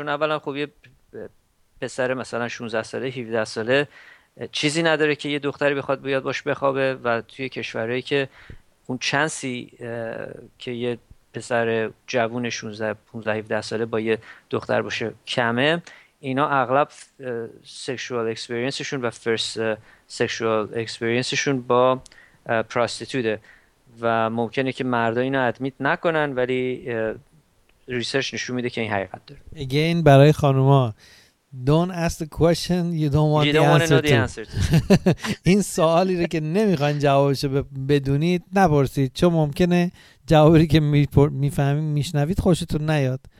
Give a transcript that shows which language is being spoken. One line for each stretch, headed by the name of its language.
Persian: چون اولا خب یه پسر مثلا 16 ساله 17 ساله چیزی نداره که یه دختری بخواد بیاد باش بخوابه و توی کشورهایی که اون چانسی که یه پسر جوون 16 17 ساله با یه دختر باشه کمه، اینا اغلب سکشوال اکسپریانسشون و فرست سکشوال اکسپریانسشون با پراستیتوته و ممکنه که مردا اینو ادمیت نکنن ولی ریسرچ نشون میده که این حقیقت داره.
English: Again
Persian: برای خانوما،
English: don't ask the question you don't want the answer to.
Persian: این سوالی رو که نمیخواین جوابشو بدونید نپرسید، چون ممکنه جوابی که میفهمید میشنوید خوشتون نیاد.